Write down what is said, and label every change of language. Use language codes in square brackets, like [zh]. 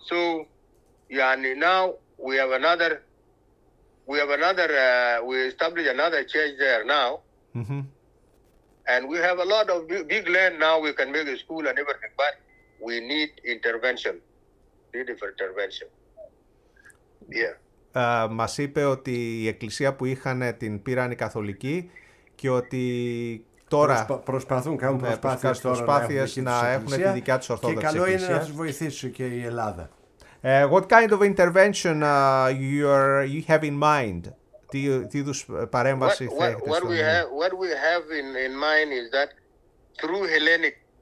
[en] So, now we established another church there now. Mm-hmm. And we have a lot of big land now, we can make a school and everything, but we need intervention. Need for intervention. Yeah. [el] Μας είπε ότι η εκκλησία που είχαν την πήραν οι Καθολικοί και ότι τώρα προσπαθούν, κάνουν προσπάθειες να έχουν τη δικιά τους Ορθόδοξη Εκκλησία. Και καλό είναι να τους βοηθήσει και η Ελλάδα. [en] What kind of intervention you have in mind? [el] Τι είδους παρέμβαση θα έχετε στον Ελλάδα? [en] What we have in mind is that through Hellenic...